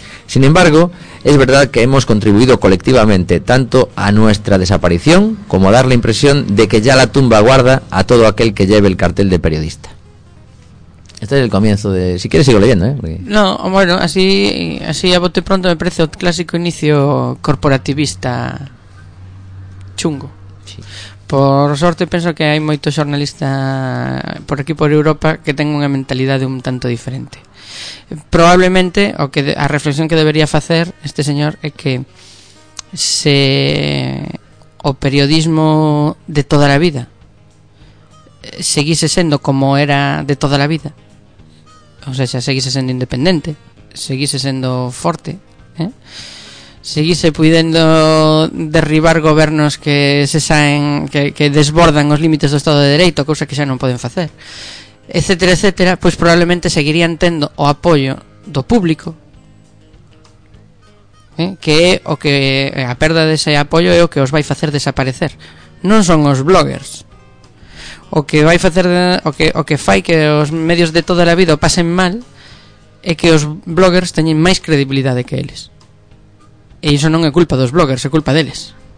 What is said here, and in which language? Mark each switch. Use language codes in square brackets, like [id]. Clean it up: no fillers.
[es] Sin embargo, es verdad que hemos contribuido colectivamente tanto a nuestra desaparición como a dar la impresión de que ya la tumba guarda a todo aquel que lleve el cartel de periodista. Este es el comienzo de... Si quieres sigo leyendo, ¿eh? Porque... No, bueno, así a bote pronto me parece un clásico inicio corporativista chungo. Sí. [gl] Por sorte, penso que hai moito xornalista por aquí, por Europa, que ten unha mentalidade un tanto diferente. Probablemente, a reflexión que debería facer este señor é que se o periodismo de toda a vida seguise sendo como era de toda a vida, ou seja, seguise sendo independente, seguise sendo forte, seguise puidendo derribar gobernos que se saen que desbordan os límites do Estado de Dereito, cousa que xa non poden facer, etcétera, etcétera, pois probablemente seguirían tendo o apoio do público, que é o que a perda dese apoio é o que os vai facer desaparecer. Non son os bloggers. O que vai facer o que fai que os medios de toda a vida pasen mal é que os bloggers teñen máis credibilidade que eles. E iso non é culpa dos bloggers, é culpa deles.